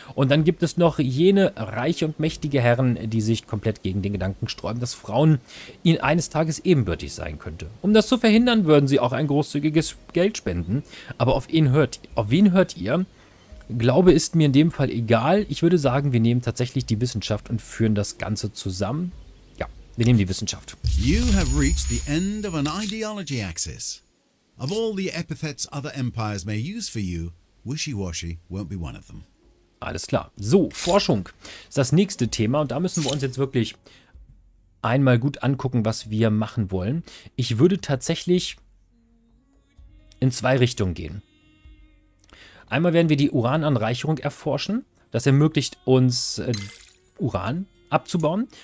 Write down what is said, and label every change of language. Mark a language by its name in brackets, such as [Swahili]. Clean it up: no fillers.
[German] Und dann gibt es noch jene reiche und mächtige Herren, die sich komplett gegen den Gedanken sträuben, dass Frauen ihnen eines Tages ebenbürtig sein könnte. Um das zu verhindern, würden sie auch ein großzügiges Geld spenden. Aber auf wen hört ihr? Glaube ist mir in dem Fall egal. Ich würde sagen, wir nehmen tatsächlich die Wissenschaft und führen das Ganze zusammen. Ja, wir nehmen die Wissenschaft. [English] You have reached the end of an ideology axis. Of all the epithets other empires may use for you, wishy-washy won't be one of them. [German] Alles klar. So, Forschung ist das nächste Thema und da müssen wir uns jetzt wirklich einmal gut angucken, was wir machen wollen. Ich würde tatsächlich in zwei Richtungen gehen. Einmal werden wir die Urananreicherung erforschen. Das ermöglicht uns, Uran abzubauen.